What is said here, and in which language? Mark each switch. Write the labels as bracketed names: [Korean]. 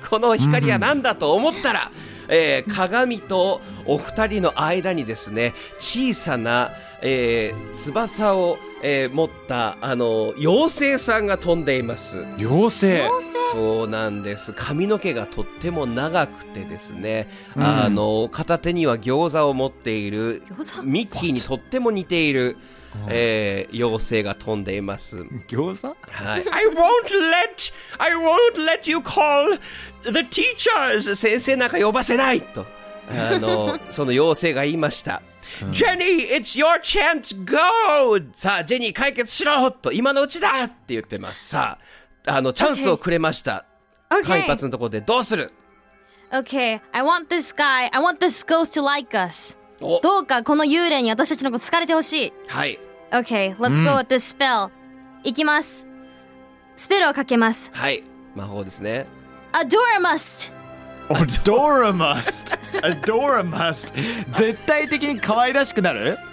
[Japanese] この光は何だと思ったら、鏡とお二人の間にですね、小さな、翼を、持った、妖精さんが飛んでいます。妖精、そうなんです。髪の毛がとっても長くてですね、片手には餃子を持っているミッキーにとっても似ている、妖精が飛んでいます。餃子、はい、 [English] I won't let you call the teachers. [Japanese] 先生なんか呼ばせないと、その妖精が言いました。 [English] Jenny, it's your chance, go! [Japanese] さあジェニー解決しろと、今のうちだって言ってます。さあチャンスをくれました。間、okay. 一髪のところでどうする。 [English] Okay, I want this ghost to like us. [Japanese] どうかこの幽霊に私たちのこと好かれてほしい。はい、 [English] Okay, let's go with this spell. [Japanese] 行きます。スペルをかけます。はい、魔法ですね。 Adoramust! Adoramust! Adoramust! 絶対的に可愛らしくなる、